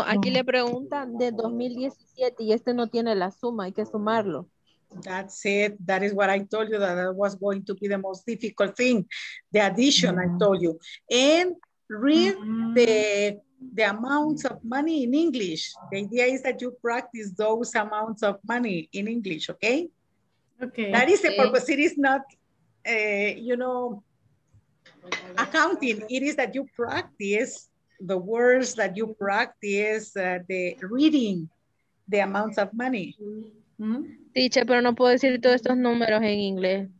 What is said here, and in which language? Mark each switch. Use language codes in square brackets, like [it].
[es] Aquí no. Le preguntan de 2017 y este no tiene la suma, hay que sumarlo. [en] That's it. That is what I told you, that that was going to be the most difficult thing. The addition, I told you. And read the amounts of money in English. The idea is that you practice those amounts of money in English, okay? Okay. That is the purpose. It is not, you know, accounting. It is that you practice the words, that you practice the reading, the amounts of money. Mm-hmm. [es] Teacher, pero no puedo decir todos estos números en inglés.